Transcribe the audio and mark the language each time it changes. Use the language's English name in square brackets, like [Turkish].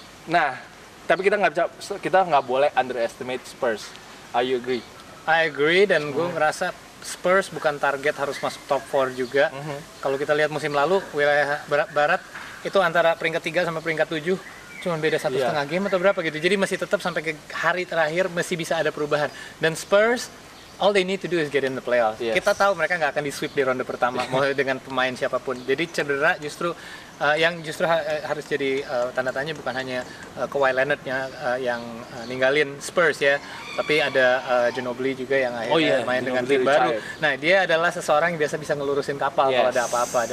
[Indonesian] Nah, tapi kita nggak boleh underestimate Spurs. [English] Are you agree? I agree, [Indonesian] dan gue ngerasa Spurs bukan target harus masuk top 4 juga. Kalau kita lihat musim lalu, wilayah barat itu antara peringkat 3 sampai peringkat 7 cuma beda 1.5 game atau berapa gitu. Jadi masih tetap sampai ke hari terakhir masih bisa ada perubahan. [English] Dan Spurs, all they need to do is get in the playoffs. Yes. [Indonesian] Kita tahu mereka nggak akan di-sweep di ronde pertama mulai dengan pemain siapapun. Jadi cedera justru harus jadi tanda tanya bukan hanya Kawhi Leonard-nya yang ninggalin Spurs ya, tapi ada Ginobili juga yang akhirnya main dengan tim baru. Nah, dia adalah seseorang yang biasa bisa ngelurusin kapal kalau ada apa-apa.